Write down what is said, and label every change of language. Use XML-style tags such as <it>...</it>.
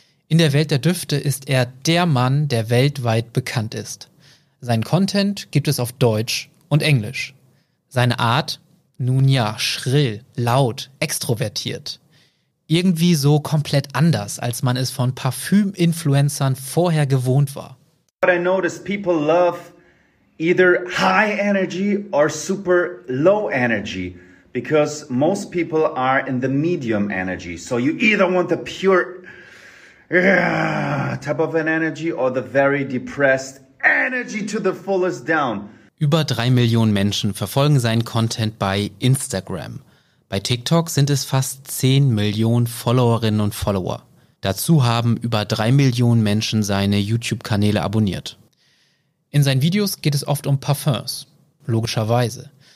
<de>In der Welt der Düfte ist er der Mann, der weltweit bekannt ist. Sein Content gibt es auf Deutsch und Englisch. Seine Art? Nun ja, schrill, laut, extrovertiert. Irgendwie so komplett anders, als man es von Parfüm-Influencern vorher gewohnt war.</de> <en>But I know that people love either high energy or super low energy, because most people are in the medium energy. So you either want the pure type of an energy or the very depressed energy to the fullest down.</en> <de>Über 3 Millionen Menschen verfolgen seinen Content bei Instagram. Bei TikTok sind es fast 10 Millionen Followerinnen und Follower. Dazu haben über 3 Millionen Menschen seine YouTube-Kanäle abonniert. In seinen Videos geht es oft um Parfums, logischerweise.</de>